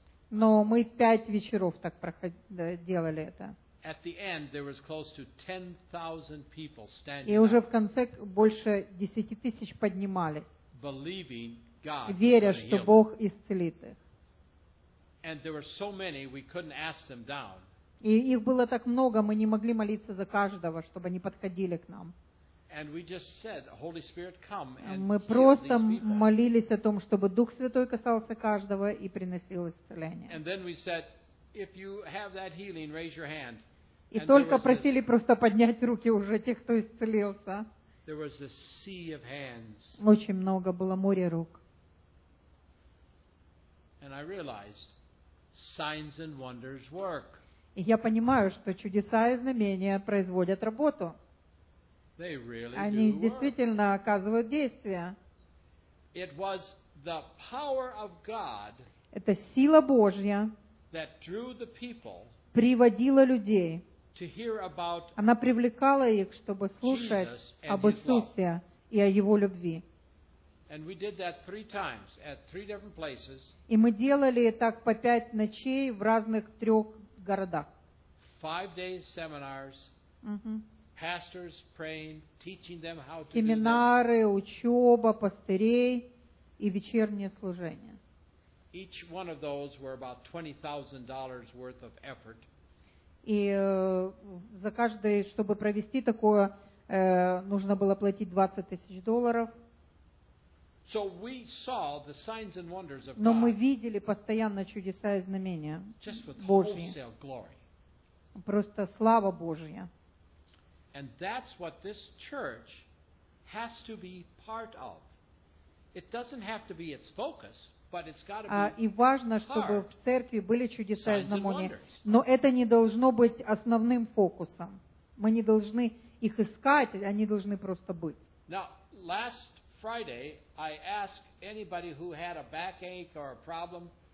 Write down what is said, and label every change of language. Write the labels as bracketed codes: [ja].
[ru] Но мы 5 вечеров так делали это. [en] At the end, there was close to 10,000 people standing. [ru] И уже в конце больше 10,000 поднимались. [en] Believing God, [ru] веря, что Бог исцелит их. [en] And there were so many we couldn't ask them down. [ru] И их было так много, мы не могли молиться за каждого, чтобы они подходили к нам. [en] And we just said, "Holy Spirit, come and heal these people." [ru] Мы просто молились о том, чтобы Дух Святой касался каждого и приносил исцеление. [en] And then we said, if you have that healing, raise your hand. [ru] И только просили просто поднять руки уже тех, кто исцелился. [en] There was a sea of hands. [ru] Очень много было, море рук. [en] And I realized signs and wonders work. [ru] И я понимаю, что чудеса и знамения производят работу. [en] They really do. [ru] Они действительно оказывают действие. [en] It was the power of God. [ru] Это сила Божья. [en] That drew the people. [ru] Приводила людей. [en] To hear about. [ru] Она привлекала их, чтобы слушать об Иисусе и о Его любви. [en] And we did that three times at three different places. [ru] И мы делали так по 5 ночей в разных 3 городах. [en] 5-day seminars. Pastors praying, teaching them how to [ru] семинары, учеба, пастырей и вечернее служение. [en] Each one of those were about $20,000 worth of effort. [ru] И за каждое, чтобы провести такое, нужно было платить $20,000. [en] So we saw the signs and wonders of [ru] God. Но мы видели постоянно чудеса и знамения Божьи. Просто слава Божья. [en] And that's what this church has to be part of. It doesn't have to be its focus, but it's got to be. [ru] И важно, чтобы в церкви были чудеса и знамения. Но это не должно быть основным фокусом. Мы не должны их искать, они должны просто быть. [en] Now, last Friday, I asked anybody who had a backache or a problem.